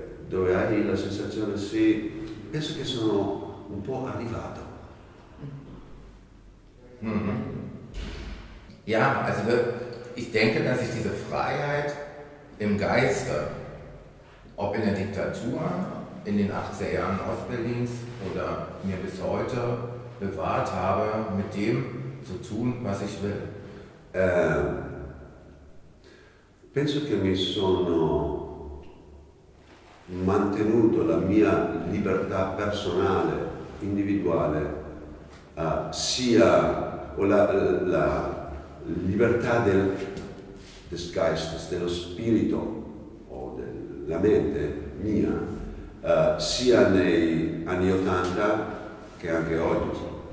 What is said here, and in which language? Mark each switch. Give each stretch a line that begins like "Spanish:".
Italian: Dove hai la sensazione, sì, penso che sono un po' arrivato. Mm-hmm.
German: Ja, also ich denke, dass ich diese Freiheit im Geiste, ob in der Diktatur, in den 80er Jahren Ostberlins oder mir bis heute bewahrt habe, mit dem zu tun, was ich will.
Italian: Penso che mi sono mantenuto la mia libertà personale, individuale, sia o la libertà del Geist, dello spirito o della mente mia, sia nei anni 80 che anche oggi.